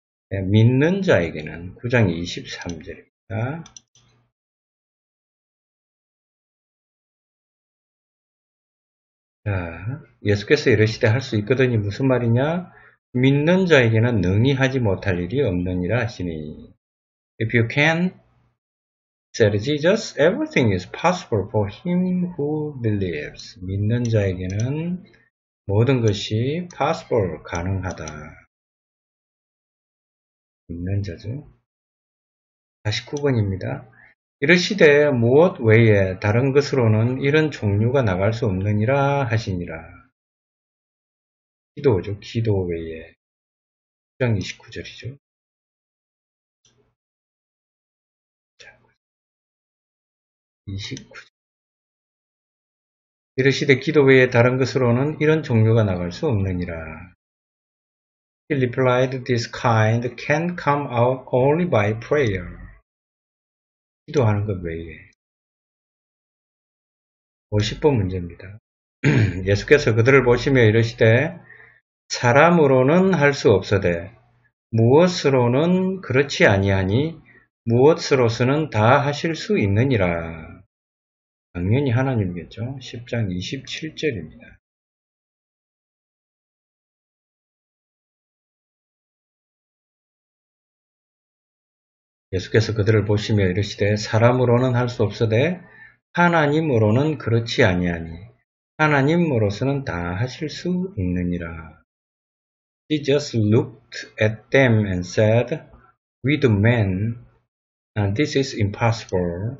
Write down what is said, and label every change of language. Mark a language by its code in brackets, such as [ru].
[ko] 네, 믿는 자에게는 9장 23절입니다. 자, 예수께서 이르시되 할 수 있거든이 무슨 말이냐? 믿는 자에게는 능히 하지 못할 일이 없느니라 하시니. [en] If you can, said Jesus, everything is possible for him who believes. [ko] 믿는 자에게는 모든 것이 possible, 가능하다. 믿는 자죠. 49번입니다. 이르시되 무엇 외에 다른 것으로는 이런 종류가 나갈 수 없느니라 하시니라. 기도죠. 기도 외에. 9장 29절이죠. 29절. 이르시되 기도 외에 다른 것으로는 이런 종류가 나갈 수 없느니라. [en] He replied, this kind can come out only by prayer. [ko] 기도하는 것 외에. 50번 문제입니다. 예수께서 그들을 보시며 이르시되 사람으로는 할 수 없어되 무엇으로는 그렇지 아니하니 무엇으로서는 다 하실 수 있느니라. 당연히 하나님이겠죠. 10장 27절입니다. 예수께서 그들을 보시며 이르시되 사람으로는 할 수 없으되 하나님으로는 그렇지 아니하니 하나님으로서는 다 하실 수 있느니라. [en] He just looked at them and said, with men, this is impossible.